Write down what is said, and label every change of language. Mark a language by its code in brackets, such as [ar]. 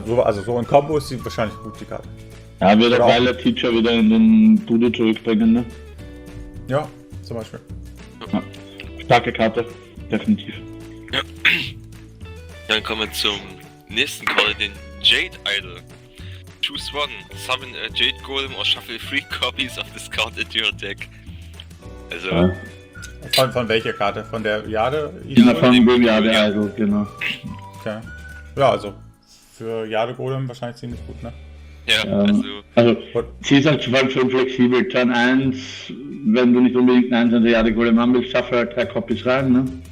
[de] So in Kombo ist sie wahrscheinlich gut, die Karte. Ja, wird ein geiler Teacher wieder in den Dude zurückbringen, ne? Ja, zum Beispiel. Ja. Starke Karte, definitiv. Ja. Dann kommen wir zum nächsten Call, den Jade Idol. [en] Choose one, summon a Jade Golem or shuffle 3 copies of this card into your deck. [de] Also. Ja. Von welcher Karte? Von der Jade? Genau, von dem Jade Idol, genau. Okay. Ja, also. Für Jade Golem wahrscheinlich ziemlich gut, ne? Ja, also. Sie ist halt zu allem schon flexibel. Turn 1, wenn du nicht unbedingt einen 1 an der Jade Golem haben willst, shuffle halt 3 Copies rein, ne?